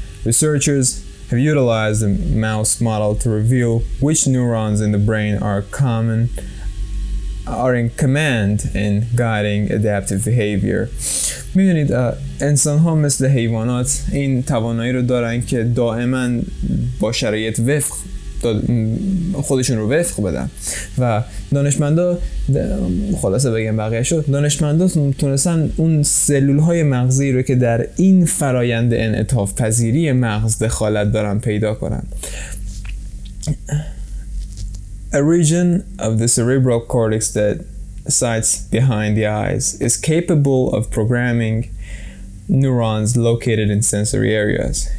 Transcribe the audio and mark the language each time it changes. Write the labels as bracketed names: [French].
[English] Researchers have utilized a mouse model to reveal which neurons in the brain are in command in guiding adaptive behavior. [Persian] می‌دونید انسان ها مثل حیوانات این توانایی رو دارن که دائما با شرایط وفق خودشون رو وفق بدن و دانشمندا خلاصه بگم بقیه شد دانشمندا تونستن اون سلول های مغزی رو که در این فرایند انعطاف پذیری مغز دخالت دارن پیدا کنن. [English] A region of the cerebral cortex that sits behind the eyes is capable of programming neurons located in sensory areas.